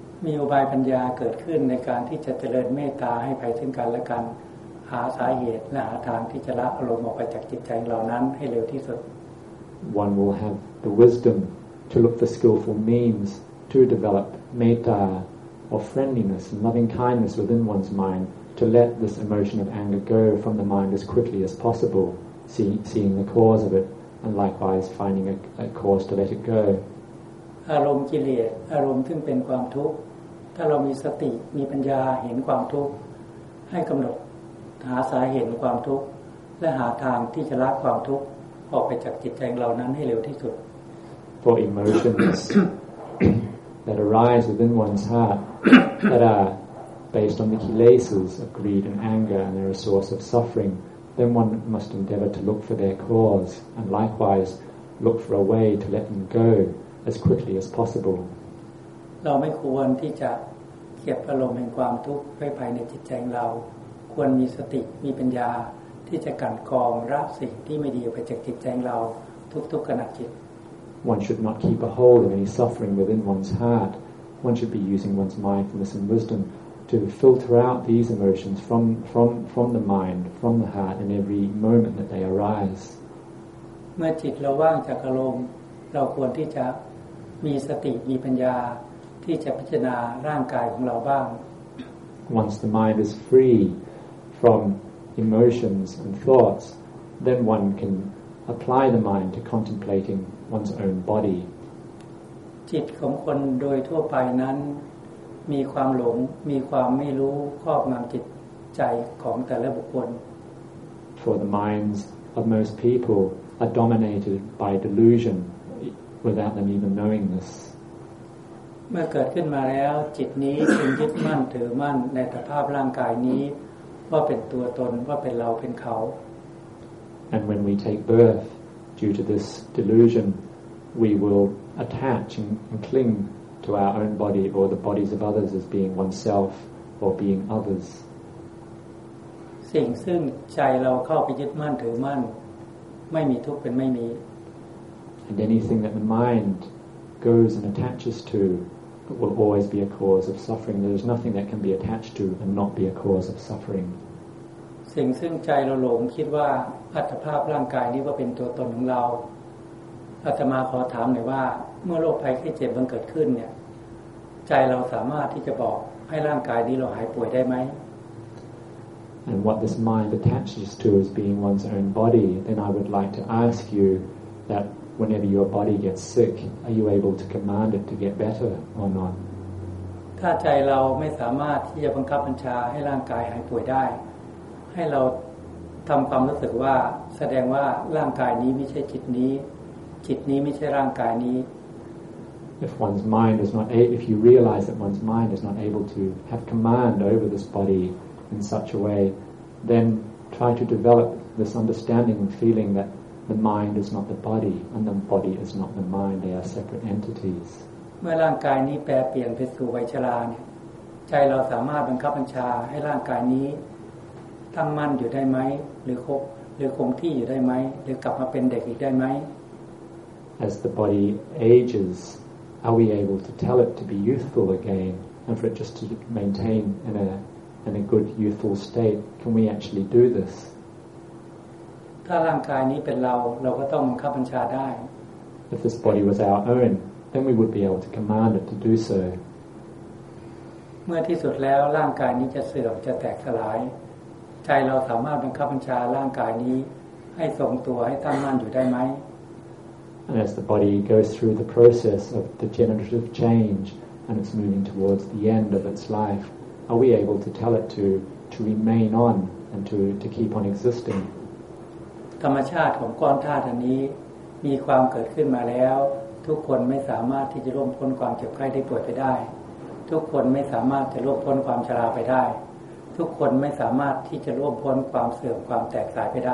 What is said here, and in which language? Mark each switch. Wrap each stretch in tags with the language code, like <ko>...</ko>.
<th>มีอุบายปัญญาเกิดขึ้นในการที่จะเจริญเมตตาให้ไปซึ่งกันและกันหาสาเหตุและหาทางที่จะละอารมณ์ออกไปจากจิตใจของเรานั้นให้เร็วที่สุด</th> <en>One will have the wisdom to look for skillful means to develop metta or friendliness and loving kindness within one's mind to let this emotion of anger go from the mind as quickly as possible, seeing the cause of it and likewise finding a cause to let it go.</en> <th>อารมณ์กิเลสอารมณ์ซึ่งเป็นความทุกข์ถ้าเรามีสติมีปัญญาเห็นความทุกข์ให้กำหนดหาสาเหตุความทุกข์และหาทางที่จะละความทุกข์ออกไปจากจิตใจของเรานั้นให้เร็วที่สุด</th> <en>For emotions that arise within one's heart that are based on the kilesas of greed and anger and they're a source of suffering then one must endeavor to look for their cause and likewise look for a way to let them go as quickly as possible</en> <th>เราไม่ควรที่จะเก็บอารมณ์แห่งความทุกข์ไว้ภายในจิตใจของเราควรมีสติมีปัญญาที่จะกั้นกองรับสิ่งที่ไม่ดีออกไปจากจิตใจของเราทุกๆขณะจิต</th> <en>One should not keep a hold of any suffering within one's heart. One should be using one's mindfulness and wisdom to filter out these emotions from the mind, from the heart in every moment that they arise.</en> <th>เมื่อจิตเราว่างจากอารมณ์เราควรที่จะมีสติมีปัญญาที่จะพิจารณาร่างกายของเราบ้าง</th> <en>Once the mind is free fromemotions and thoughts then one can apply the mind to contemplating one's own body</en> <th>จิตของคนโดยทั่วไปนั้นมีความหลงมีความไม่รู้ครอบงำจิตใจของแต่ละบุคคล</th> <en>For the minds of most people are dominated by delusion without them even knowing this</en> <th>เมื่อเกิดขึ้นมาแล้วจิตนี้จึงยึดมั่นถือมั่นในสภาพร่างกายนี้ว่าเป็นตัวตนว่าเป็นเราเป็นเขา</th> <en>And when we take birth due to this delusion we will attach and cling to our own body or the bodies of others as being oneself or being others</en> <th>สิ่งซึ่งใจเราเข้าไปยึดมั่นถือมั่นไม่มีทุกข์เป็นไม่มี</th> <en>And anything that the mind goes and attaches toIt will always be a cause of suffering. There is nothing that can be attached to and not be a cause of suffering.</en> <th>สิ่งซึ่งใจเราหลงคิดว่าอัตภาพร่างกายนี้ว่าเป็นตัวตนของเราอาตมาขอถามหน่อยว่าเมื่อโรคภัยไข้เจ็บมันเกิดขึ้นเนี่ยใจเราสามารถที่จะบอกให้ร่างกายนี้เราหายป่วยได้ไหม</th> <en>And what this mind attaches to is being one's own body. Then I would like to ask you that. Whenever your body gets sick, are you able to command it to get better or not?</en> <th>ถ้าใจเราไม่สามารถที่จะบังคับบัญชาให้ร่างกายหายป่วยได้ให้เราทำความรู้สึกว่าแสดงว่าร่างกายนี้ไม่ใช่จิตนี้จิตนี้ไม่ใช่ร่างกายนี้</th> <en>If one's mind is not if you realize that one's mind is not able to have command over this body in such a way then try to develop this understanding and feeling thatThe mind is not the body, and the body is not the mind. They are separate entities.</en> <th>เมื่อร่างกายนี้แปรเปลี่ยนไปสู่วัยชราเนี่ยใจเราสามารถบังคับบัญชาให้ร่างกายนี้ตั้งมั่นอยู่ได้ไหมหรือคงที่อยู่ได้ไหมหรือกลับมาเป็นเด็กอีกได้ไหม</th> <en>As the body ages, are we able to tell it to be youthful again, and for it just to maintain in a good youthful state? Can we actually do this?</en> <th>ถ้าร่างกายนี้เป็นเราก็ต้องบังคับบัญชาได้</th> <en>If this body was our own then we would be able to command it to do so</en> <th>เมื่อที่สุดแล้วร่างกายนี้จะเสื่อมจะแตกสลายใจเราสามารถบังคับบัญชาร่างกายนี้ให้ทรงตัวให้ตั้งมั่นอยู่ได้ไหม</th> <en>And as the body goes through the process of degenerative change and it's moving towards the end of its life are we able to tell it to remain on and to keep on existing</en> <th>ธรรมชาติของก้อนธาตุอันนี้มีความเกิดขึ้นมาแล้วทุกคนไม่สามารถที่จะร่วมพ้นความเจ็บไข้ได้ป่วยไปได้ทุกคนไม่สามารถจะร่วมพ้นความชราไปได้ทุกคนไม่สามารถที่จะร่วมพ้นความเสื่อมความแตกสลายไปได</th>